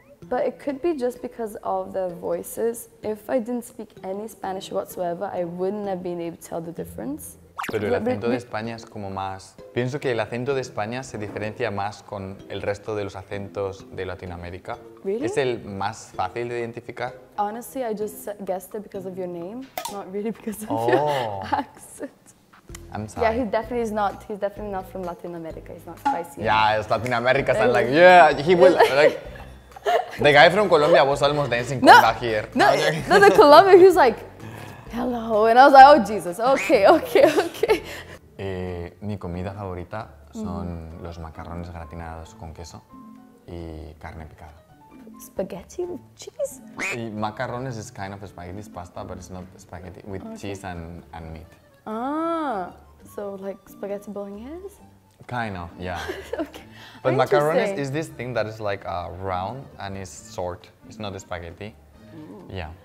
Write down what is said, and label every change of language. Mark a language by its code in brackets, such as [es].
[en] But it could be just because of their voices. If I didn't speak any Spanish whatsoever, I wouldn't have been able to tell the difference. [es] Pero el acento de España es como más... Pienso que el acento de España se diferencia más con el resto de los acentos de Latinoamérica. [en] Really? [es] ¿Es el más fácil de identificar? [en] Honestly, I just guessed it because of your name, not really because of your accent. I'm sorry. Yeah, he's definitely not from Latin America. He's not spicy. Yeah, it's Latin America, so I'm like, yeah, he will, like... The guy from Colombia was almost dancing no, con here. No, no, the Colombian, he was like, hello, and I was like, oh Jesus, okay. [es] Mi comida favorita son los macarrones gratinados con queso y carne picada. [en] Spaghetti with cheese? Y macarrones is kind of spaghetti, pasta, but it's not spaghetti, with cheese and meat. Ah, so like spaghetti bolognese? Kind of, yeah. Okay. But macarrones is this thing that is like round and is short. It's not a spaghetti. Ooh. Yeah.